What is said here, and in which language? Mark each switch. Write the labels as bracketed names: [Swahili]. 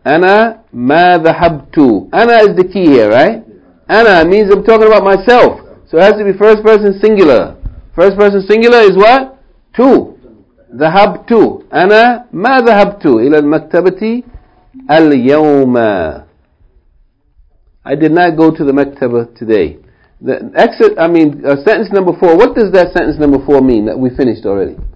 [Arabic] Ana ma ذهبtu. [English] Ana is the key here, right? Ana means I'm talking about myself. So it has to be first person singular. First person singular is what? Two. [Arabic] ذهبت أنا ما ذهبت إلى المكتبة اليوم. [English] I did not go to the مكتبة today. The exit, I mean, sentence number four. What does that sentence number four mean that we finished already?